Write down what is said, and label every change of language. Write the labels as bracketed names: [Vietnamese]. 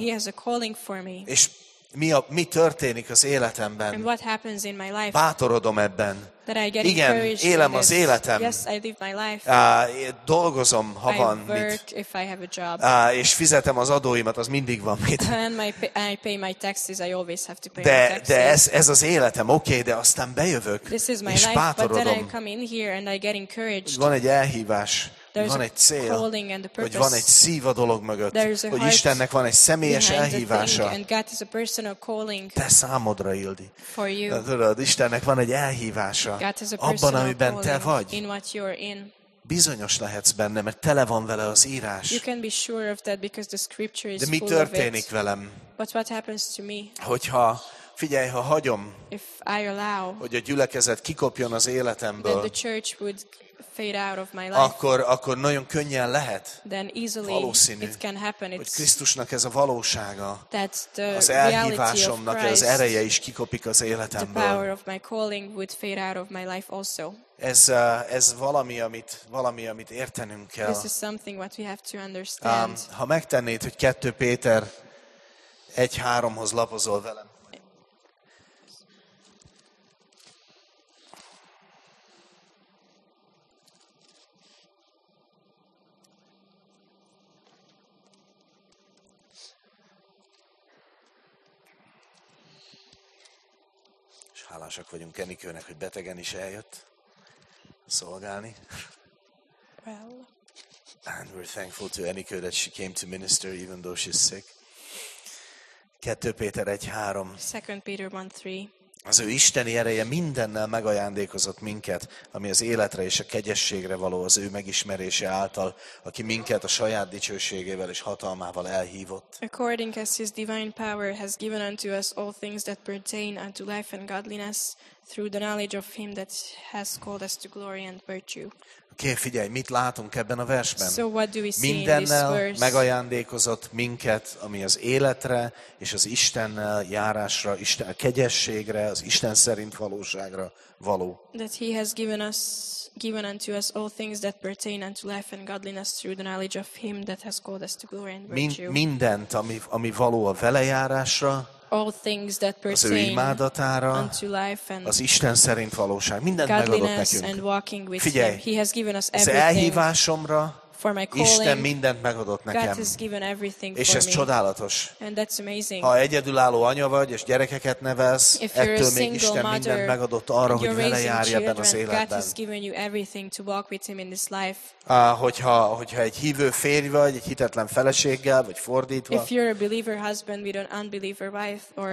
[English] And he has a calling for me. [Hungarian] És mi történik az életemben. [English] And what happens in my life. [Hungarian] Bátorodom ebben. [English] That I get [Hungarian] igen, [English] encouraged [Hungarian] élem [English] this. [Hungarian] Az életem. [English] Yes, I live my life. [Hungarian] Dolgozom, ha [English] I [Hungarian] van [English] work [Hungarian] mit. [English] If I have a job. [Hungarian] És fizetem az adóimat, az mindig van mit. [English] And I pay my taxes, I always have to pay [Hungarian] de, [English] my taxes. [Hungarian] De ez az életem, oké, okay, de aztán bejövök. [English] This is my [Hungarian] és [English] life, [Hungarian] bátorodom. [English] But then I come in here and I get encouraged. [Hungarian] Van egy elhívás. [English] There's [Hungarian] van egy cél, [English] a calling and a purpose. [Hungarian] Hogy van egy szív a dolog mögött, [English] there's [Hungarian] hogy Istennek van egy személyes elhívása. [English] And God is a personal calling [Hungarian] te számodra, Ildi. [English] For you. [Hungarian] De tudod, Istennek van egy elhívása. [English] God is a [Hungarian] abban, amiben te vagy. [English] In what you're in. [Hungarian] Bizonyos lehetsz benne, mert tele van vele az írás. [English] You can be sure of that because the scripture is [Hungarian] de mi történik [English] full [Hungarian] velem? [English] But what happens to me? [Hungarian] Hogyha figyelj, ha hagyom, [English] if I allow, [Hungarian] hogy a gyülekezet kikopjon az életemből, [English] then the church would fade out of my life. [Hungarian] Akkor nagyon könnyen lehet, [English] then easily [Hungarian] valószínű, [English] it can happen. [Hungarian] Hogy Krisztusnak ez a valósága, [English] the [Hungarian] az elhívásomnak [English] Christ, [Hungarian] az ereje is kikopik az életemből. [English] The power of my calling would fade out of my life also. [Hungarian] Ez valami, amit értenünk kell. [English] This is something what we have to understand. [Hungarian] Ha megtennéd, hogy 2 Péter 1:3-hoz lapozol velem. És hálásak vagyunk Kenikőnek, hogy betegen is eljött szolgálni. [English] Well. And we're thankful to Eniko that she came to minister even though she's sick. [Hungarian] 2 Péter 1:3. [English] 2 Peter 1:3. [Hungarian] Az ő isteni ereje mindennel megajándékozott minket, ami az életre és a kegyességre való az ő megismerése által, aki minket a saját dicsőségével és hatalmával elhívott. [English] According as his divine power has given unto us all things that pertain unto life and godliness through the knowledge of him that has called us to glory and virtue. [Hungarian] Okay, figyelj, mit látunk ebben a versben? [English] So what do we see [Hungarian] mindennel [English] in this verse? [Hungarian] Megajándékozott minket, ami az életre és az Istennel járásra, Isten kegyességre, az Isten szerint valóságra való. [English] That he has given unto us all things that pertain unto life and godliness through the knowledge of him that has called us to glory and virtue. [Hungarian] Mindent, ami való a vele járásra, [English] all things that pertain unto life and [Hungarian] az Isten szerint valóság, mindent megadott nekünk. Figyelj, [English] he has given us everything. [Hungarian] Az elhívásomra [English] for my calling, [Hungarian] Isten mindent megadott nekem. [English] God has given everything [Hungarian] és [English] for [Hungarian] ez [English] me. [Hungarian] Csodálatos. [English] And that's amazing. [Hungarian] Ha egyedülálló anya vagy, és gyerekeket nevelsz, ettől még Isten [English] mother, [Hungarian] mindent megadott arra, hogy vele járj ebben az életben. [English] God has given you everything to walk with him in this life. [Hungarian] Hogyha egy hívő férj vagy, egy hitetlen feleséggel, vagy fordítva, [English] if you're a believer husband with an unbeliever wife, or